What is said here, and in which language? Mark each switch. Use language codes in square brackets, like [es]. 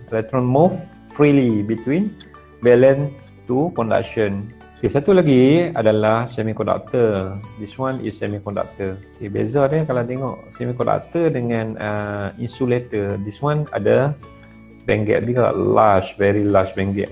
[en] Electron move freely between valence to conduction. [ms] Okay, satu lagi adalah semiconductor. [en] This one is semiconductor. [ms] Okay, beza dia kalau tengok semiconductor dengan insulator. [en] This one [ms] ada [en] band gap [ms] dia, [en] large, very large band gap.